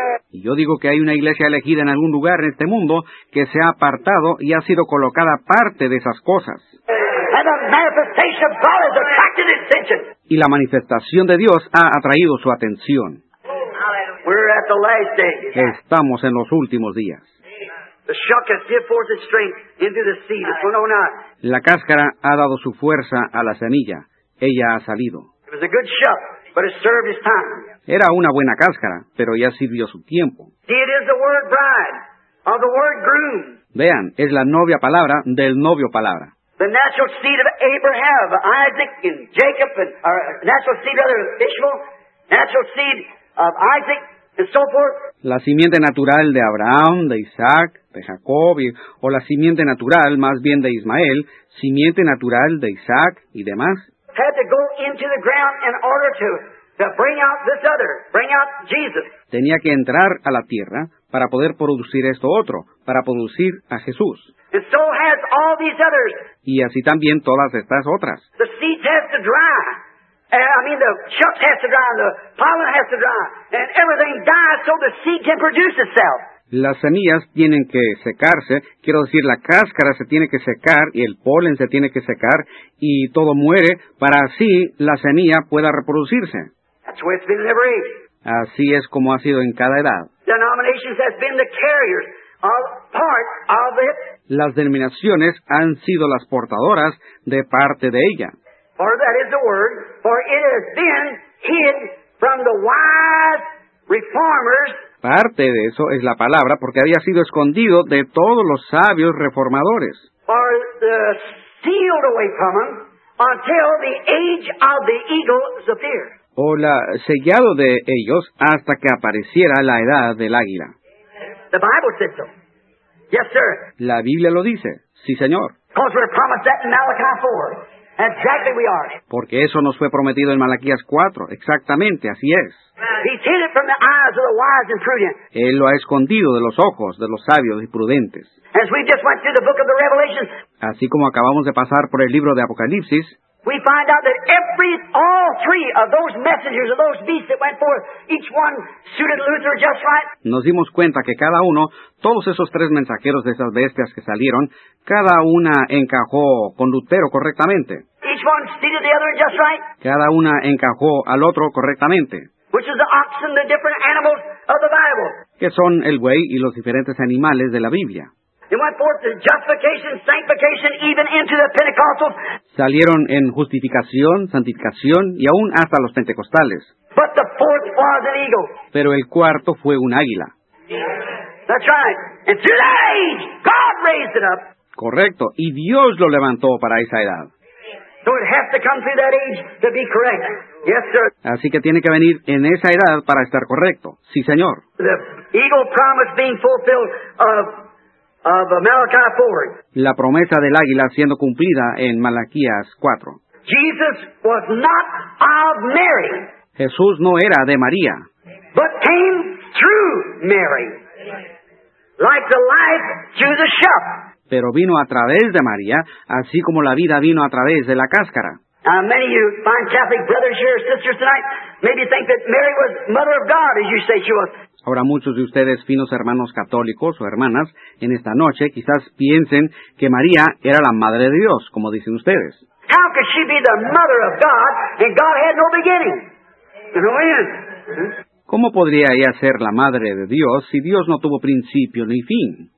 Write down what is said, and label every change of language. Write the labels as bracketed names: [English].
[Spanish] Y yo digo que hay una iglesia elegida en algún lugar en este mundo que se ha apartado y ha sido colocada parte de esas cosas. [English] And the manifestation of God has attracted his attention. [Spanish] Y la manifestación de Dios ha atraído su atención. [English] We're at the last days. [Spanish] Estamos en los últimos días. [English] The shuck has given forth its strength into the seed. It's 109. [Spanish] La cáscara ha dado su fuerza a la semilla. Ella ha salido. [English] It was a good shuck. but it served his time. [Spanish] Era una buena cáscara, pero ya sirvió su tiempo. [English] See, it is the word bride, or the word groom. [Spanish] Vean, es la novia palabra del novio palabra. [English] The natural seed of Abraham, Isaac, and Jacob, and or natural seed of Ishmael, natural seed of Isaac, and so forth. [Spanish] La simiente natural de Abraham, de Isaac, de Jacob, o la simiente natural, más bien de Ismael, simiente natural de Isaac y demás. [English] Had to go into the ground in order to bring out this other, bring out Jesus. [Spanish] Tenía que entrar a la tierra para poder producir esto otro, para producir a Jesús. [English] And so has all these others. [Spanish] Y así también todas estas otras. [English] The seeds have to dry. The chaff has to dry, the pollen has to dry, and everything dies so the seed can produce itself. [Spanish] Las semillas tienen que secarse, quiero decir, la cáscara se tiene que secar y el polen se tiene que secar y todo muere para así la semilla pueda reproducirse. [English] That's what it's been in every age. [Spanish] Así es como ha sido en cada edad. [English] Denominations have been the carriers of part of it. [Spanish] Las denominaciones han sido las portadoras de parte de ella. [English] For that is the word, for it has been hid from the wise reformers. [Spanish] Parte de eso es la palabra, porque había sido escondido de todos los sabios reformadores. [English] Or sealed away from them until the age of the eagle appeared. [Spanish] O la sellado de ellos hasta que apareciera la edad del águila. [English] The Bible said so. Yes, sir. [Spanish] La Biblia lo dice. Sí, señor. [English] Because we're promised that in Malachi 4. Exactly we are. [Spanish] Porque eso nos fue prometido en Malaquías 4. Exactamente, así es. [English] He's hid it from the eyes of the wise and prudent. [Spanish] Él lo ha escondido de los ojos de los sabios y prudentes. [English] As we just went through the book of the Revelation, [Spanish] así como acabamos de pasar por el libro de Apocalipsis, [English] we find out that all three of those messengers of those beasts that went forth, each one suited Luther just right. [Spanish] Nos dimos cuenta que cada uno, todos esos tres mensajeros de esas bestias que salieron, cada una encajó con Lutero correctamente. [English] Each one suited the other just right. [Spanish] Cada una encajó al otro correctamente. [English] Which is the oxen, the different animals of the Bible. [Spanish] Que son el buey y los diferentes animales de la Biblia. [English] They went forth to justification, sanctification, even into the Pentecostals. [Spanish] Salieron en justificación, santificación, y aún hasta los pentecostales. [English] But the fourth was an eagle. [Spanish] Pero el cuarto fue un águila. [English] That's right. And through that age, God raised it up. [Spanish] Correcto. Y Dios lo levantó para esa edad. [English] So it has to come through that age to be correct. Yes, sir. [Spanish] Así que tiene que venir en esa edad para estar correcto. Sí, señor. [English] The eagle promise being fulfilled of Malachi 4. [Spanish] La promesa del águila siendo cumplida en Malaquías 4. [English] Jesus was not of Mary. [Spanish] Jesús no era de María. [English] But came through Mary. Like the life through the shell. [Spanish] Pero vino a través de María, así como la vida vino a través de la cáscara. [English] Many of you fine Catholic brothers here, sisters tonight, maybe think that Mary was mother of God, as you say she was. [Spanish] Ahora muchos de ustedes, finos hermanos católicos o hermanas, en esta noche quizás piensen que María era la madre de Dios, como dicen ustedes. [English] How could she be the mother of God if God had no beginning? No end. [Spanish] ¿Cómo podría ella ser la madre de Dios si Dios no tuvo principio ni fin?